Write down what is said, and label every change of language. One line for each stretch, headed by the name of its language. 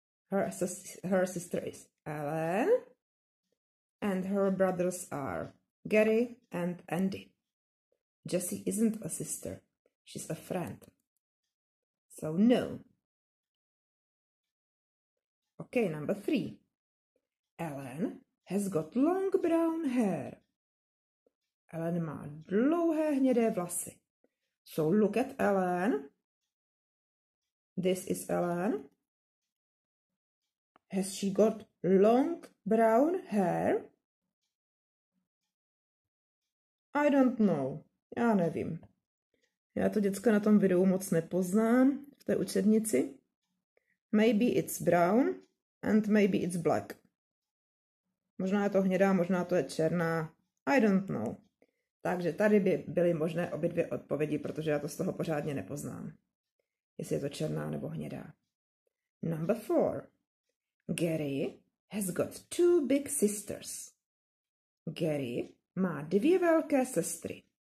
English: Her sister is Ellen, and her brothers are Gary and Andy. Jessie isn't a sister, she's a friend. So no. Okay, number three. Ellen has got long brown hair.
Czech: Ellen má dlouhé hnědé vlasy.
English: So look at Ellen. This is Ellen. Has she got long brown hair? I don't know.
Czech: Já nevím. Já to děcko na tom videu moc nepoznám v té učebnici.
English: Maybe it's brown and maybe it's black.
Czech: Možná je to hnědá, možná to je černá.
English: I don't know.
Czech: Takže tady by byly možné obě dvě odpovědi, protože já to z toho pořádně nepoznám. Jestli je to černá nebo hnědá.
English: Number four. Gary has got two big sisters.
Czech: Gary má dvě velké sestry.